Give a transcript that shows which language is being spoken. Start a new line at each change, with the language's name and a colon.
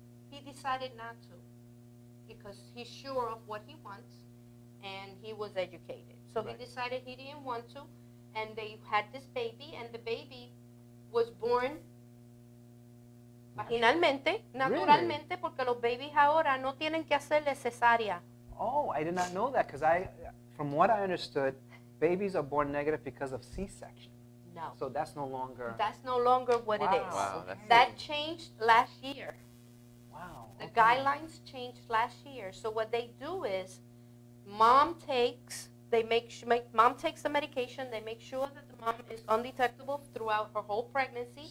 English: He decided not to because he's sure of what he wants, and he was educated. So right. He decided he didn't want to, and they had this baby, and the baby was born
Spanish: vaginalmente, naturalmente,
English: really?
Spanish: Porque los babies ahora no tienen que hacerle cesárea.
English: Oh, I did not know that, because from what I understood, babies are born negative because of C-section. No. So that's no longer... That's no longer what wow. it is. Wow, that changed last year. Wow. The okay. guidelines changed last year. So what they do is, mom takes the medication, they make sure that the mom is undetectable throughout her whole pregnancy.